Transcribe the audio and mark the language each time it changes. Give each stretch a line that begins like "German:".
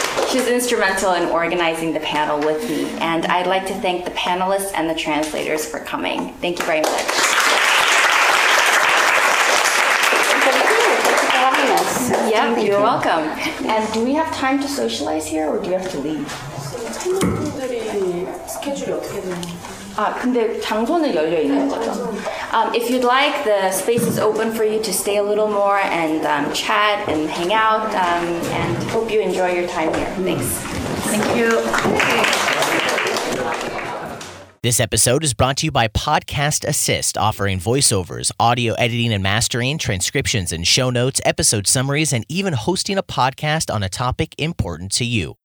English: She's instrumental in organizing the panel with me. And I'd like to thank the panelists and the translators for coming. Thank you very much. Yep, you're welcome. And do we have time to socialize here or do you have to leave?
Korean: 근데 장소는 열려 있는 거죠.
English: If you'd like, the space is open for you to stay a little more and chat and hang out and hope you enjoy your time here. Thanks. Thank you. This episode is brought to you by Podcast Assist, offering voiceovers, audio editing and mastering, transcriptions and show notes, episode summaries, and even hosting a podcast on a topic important to you.